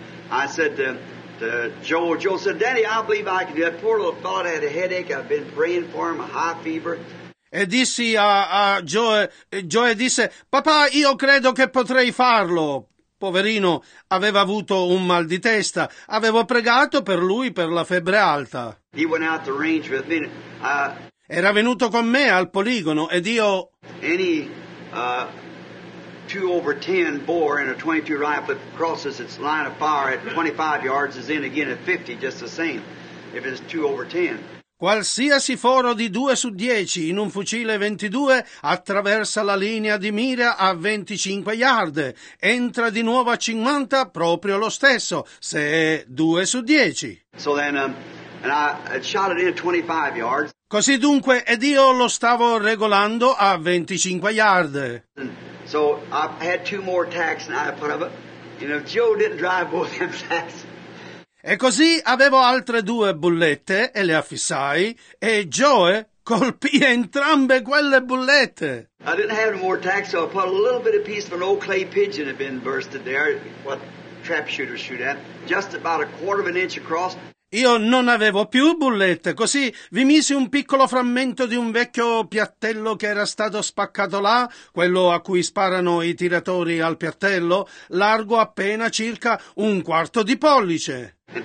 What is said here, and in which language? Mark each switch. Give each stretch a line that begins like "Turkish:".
English: I said to Joe said, Daddy, I believe I can do that. Poor little fellow had a headache. I've been praying for him, a high fever.
Italian: E dissi a Joe, Joe disse, papà, io credo che potrei farlo. Poverino, aveva avuto un mal di testa. Avevo pregato per lui per la febbre alta.
English: He went out to range with me.
Italian: Era venuto con me al poligono ed io...
English: Any 2 over 10 bore in a 22 rifle crosses its line of fire at 25 yards is in again at 50, just the same, if it's 2 over 10.
Italian: Qualsiasi foro di 2 su 10 in un fucile 22 attraversa la linea di mira a 25 yard, entra di nuovo a 50 proprio lo stesso, se è 2 su 10.
English: So then, and I shot it in 25 yards.
Italian: Così dunque, ed io lo stavo regolando a 25 yard.
English: So I had 2 more tacks and I put up, and if Joe didn't drive both them tacks.
Italian: E così avevo altre 2 bullette e le affissai, e Joe colpì entrambe quelle bullette.
English: I didn't have more tacks, so I put a little bit of piece of an old clay pigeon had been bursted there, what trap shooters shoot at, just about a quarter of an inch across.
Italian: Io non avevo più bullette, così vi misi un piccolo frammento di un vecchio piattello che era stato spaccato là, quello a cui sparano i tiratori al piattello, largo appena circa un quarto di pollice.